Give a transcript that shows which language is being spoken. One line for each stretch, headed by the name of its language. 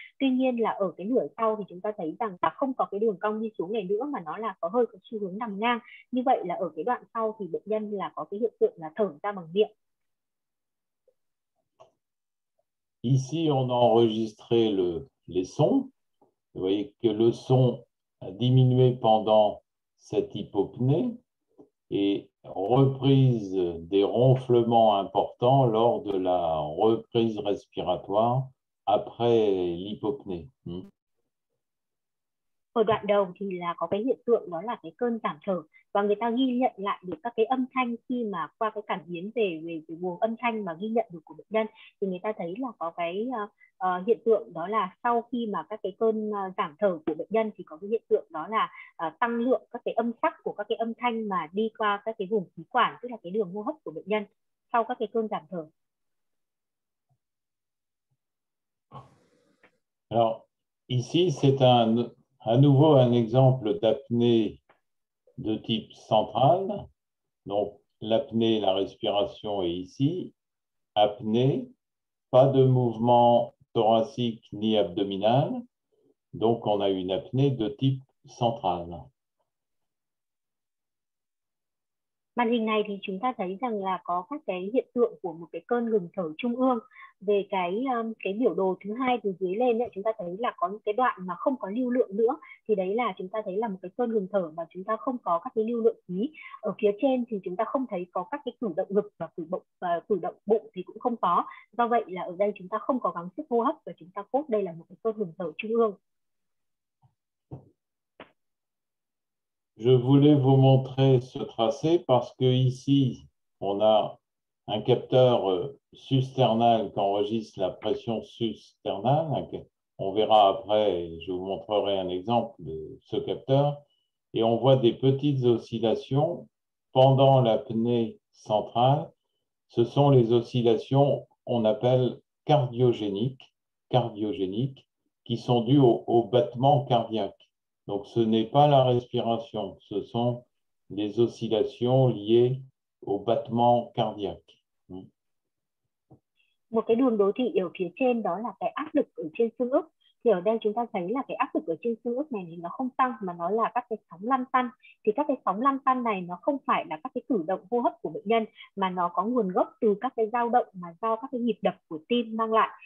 Vietnamese: Tuy nhiên là ở cái nửa sau thì chúng ta thấy rằng là không có cái đường cong đi xuống này nữa mà nó là có hơi có xu hướng nằm ngang. Như vậy là ở cái đoạn sau thì bệnh nhân là có cái hiện tượng là thở ra bằng miệng.
French: Ici on a enregistré les sons. Vous voyez que le son a diminué pendant cette hypopnée et reprise des ronflements importants lors de la reprise respiratoire après l'hypopnée.
Vietnamese: Ở đoạn đầu thì là có cái hiện tượng đó là cái cơn giảm thở và người ta ghi nhận lại được các cái âm thanh khi mà qua cái cảm biến về buồng âm thanh mà ghi nhận được của bệnh nhân thì người ta thấy là có cái hiện tượng đó là sau khi mà các cái cơn giảm thở của bệnh nhân thì có cái hiện tượng đó là tăng lượng các cái âm sắc của các cái âm thanh mà đi qua các cái vùng khí quản, tức là cái đường hô hấp của bệnh nhân sau các cái cơn giảm thở.
French: Alors, ici c'est à nouveau un exemple d'apnée de type central. Donc, l'apnée, la respiration est ici. Apnée, pas de mouvement thoracique ni abdominal. Donc, on a une apnée de type central.
Vietnamese: Màn hình này thì chúng ta thấy rằng là có các cái hiện tượng của một cái cơn ngừng thở trung ương. Về cái biểu đồ thứ hai từ dưới lên ấy, chúng ta thấy là có những cái đoạn mà không có lưu lượng nữa thì đấy là chúng ta thấy là một cái cơn ngừng thở mà chúng ta không có các cái lưu lượng khí. Ở phía trên thì chúng ta không thấy có các cái cử động ngực và cử động bụng thì cũng không có. Do vậy là ở đây chúng ta không có gắng sức hô hấp và chúng ta cốt đây là một cái cơn ngừng thở trung ương.
French: Je voulais vous montrer ce tracé parce que ici, on a un capteur susternal qui enregistre la pression susternale. On verra après, je vous montrerai un exemple de ce capteur. Et on voit des petites oscillations pendant l'apnée centrale. Ce sont les oscillations qu'on appelle cardiogéniques, qui sont dues au battement cardiaque. Donc, ce n'est pas la respiration, ce sont les oscillations liées au battement cardiaque.
Vietnamese: Một cái đường đồ thị ở phía trên đó là cái áp lực ở trên xương ức. Thì ở đây chúng ta thấy là cái áp lực ở trên xương ức này thì nó không tăng mà nó là các cái sóng lăn tăn. Thì các cái sóng lăn tăn này nó không phải là các cái cử động hô hấp của bệnh nhân mà nó có nguồn gốc từ các cái dao động mà do các cái nhịp đập của tim mang lại.